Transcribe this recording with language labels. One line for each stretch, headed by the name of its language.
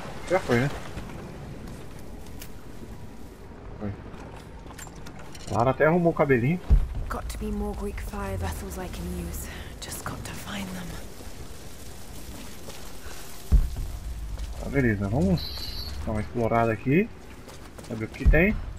Portuguese: Já foi, né? Foi. Lara até arrumou o cabelinho.
English: Got to be more Greek fire vessels I can use. Just got to find them.
Portuguese: Beleza, vamos dar uma explorada aqui, saber o que tem.